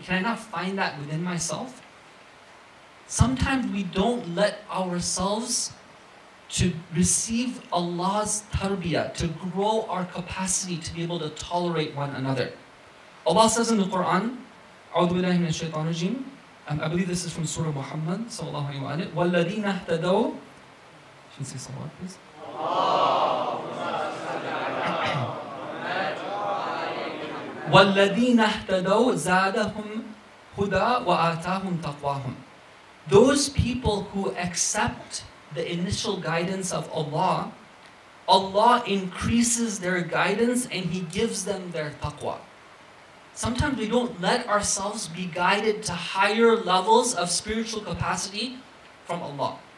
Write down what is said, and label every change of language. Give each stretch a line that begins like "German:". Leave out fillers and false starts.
English: Can I not find that within myself? Sometimes we don't let ourselves to receive Allah's tarbiyah, to grow our capacity to be able to tolerate one another. Allah says in the Quran,
Arabic: أعوذ بالله من الشيطان الرجيم.
English: I believe this is from Surah Muhammad, sallallahu alayhi wa sallam.
Arabic: وَالَّذِينَ اهْتَدَوْا.
English: Should we say salawat, please?
Arabic: Allahumma salli ala Muhammad wa ala وَالَّذِينَ اهْتَدَوْا زَادَهُمْ هُدَى وَآتَاهُمْ تَقْوَاهُمْ.
English: Those people who accept the initial guidance of Allah, Allah increases their guidance and He gives them their taqwa. Sometimes we don't let ourselves be guided to higher levels of spiritual capacity from Allah.